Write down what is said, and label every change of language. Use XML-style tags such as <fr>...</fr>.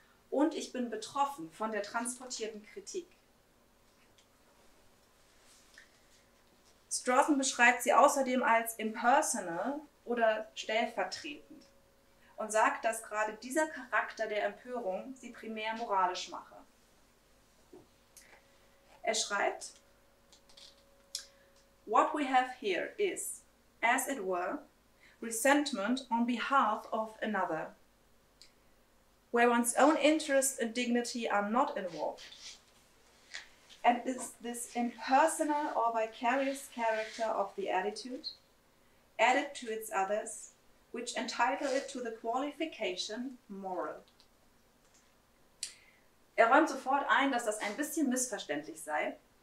<de>Und ich bin betroffen von der transportierten Kritik. Strawson beschreibt sie außerdem als impersonal oder stellvertretend und sagt, dass gerade dieser Charakter der Empörung sie primär moralisch mache. Er schreibt:</de> <en>What we have here is, as it were, resentment on behalf of another, where one's own interests and dignity are not involved. And is this impersonal or vicarious character of the attitude, added to its others, which entitle it to the qualification moral?</en> <de>Er räumt sofort ein, dass das ein bisschen missverständlich sei.</de>